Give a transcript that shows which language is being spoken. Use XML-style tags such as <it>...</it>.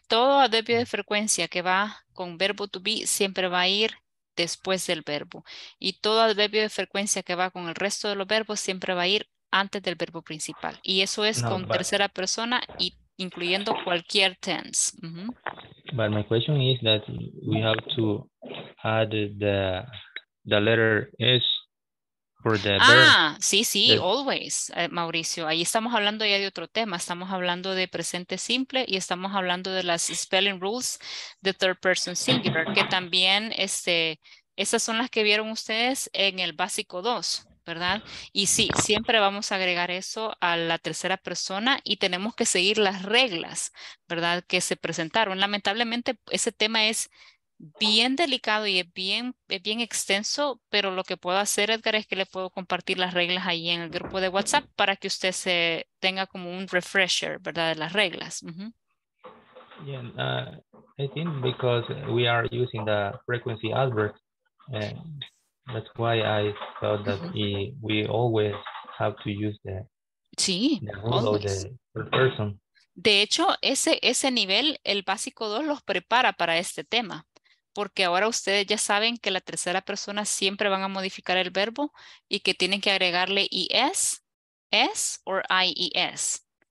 <es>Todo adverbio de frecuencia que va con verbo to be siempre va a ir después del verbo. Y todo adverbio de frecuencia que va con el resto de los verbos siempre va a ir antes del verbo principal. Y eso es no, con but, tercera persona y incluyendo cualquier tense. Uh-huh.</es> <en>But my question is that we have to add the letter S for the verb.</en> <es>Ah, sí, sí, the, always, Mauricio. Ahí estamos hablando ya de otro tema. Estamos hablando de presente simple y estamos hablando de las spelling rules de third person singular, que también, esas son las que vieron ustedes en el básico 2. ¿Verdad? Y sí, siempre vamos a agregar eso a la tercera persona y tenemos que seguir las reglas, ¿verdad? Que se presentaron. Lamentablemente, ese tema es bien delicado y es bien extenso, pero lo que puedo hacer, Edgar, es que le puedo compartir las reglas ahí en el grupo de WhatsApp para que usted se tenga como un refresher, ¿verdad? De las reglas. Uh-huh.</es> <en>Yeah, I think because we are using the frequency adverb. That's why I thought that we always have to use the, sí, the rule of the third person.</en> <es>De hecho, ese nivel, el básico 2, los prepara para este tema. Porque ahora ustedes ya saben que la tercera persona siempre van a modificar el verbo y que tienen que agregarle ES, S or IES.</es>